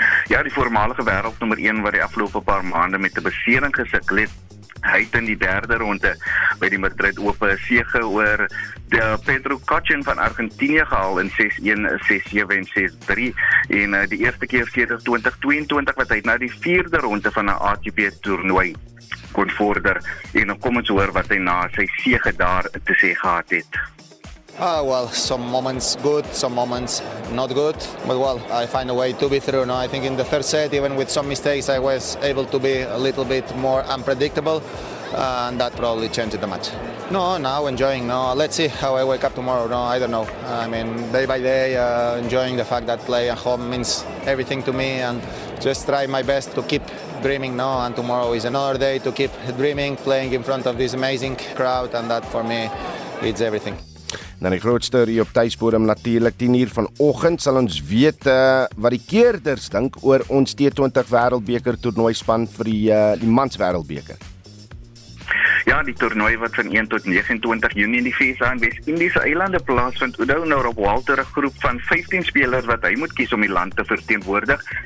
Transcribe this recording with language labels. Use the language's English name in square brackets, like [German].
[Afrikaans] Ja, die voormalige wêreldnommer 1 wat die afgelope paar maande met 'n besering gesukkel het, hy het in die derde ronde by die Madrid Open 'n sege oor die Pedro Cochin van Argentinië gehaal in 6-1, 6-7 en 6-3. En die eerste keer sedert 2022 wat hy na die vierde ronde van 'n ATP-toernooi kon vorder. En kom ons hoor wat hy na sy sege daar te sê gehad het. [English] Well, some moments good, some moments not good. But well, I find a way to be through. Now, I think in the third set, even with some mistakes, I was able to be a little bit more unpredictable. And that probably changed the match. No, now enjoying. No, let's see how I wake up tomorrow. No, I don't know. I mean, day by day, enjoying the fact that play at home means everything to me. And just try my best to keep dreaming now. And tomorrow is another day to keep dreaming, playing in front of this amazing crowd. And that, for me, it's everything. [Afrikaans] Na die grootste rie op tuisbodem natuurlik 10 uur vanoggend sal ons weet wat die keerders dink oor ons T20 wêreldbeker toernooi span vir die mans wêreldbeker. Ja, die toernooi wat van 1 tot 29 Junie in die VS en Wes-Indiese eilande plaasvind, onthou nou Rob Walter 'n groep van 15 spelers wat hy moet kies om die land te verteenwoordig.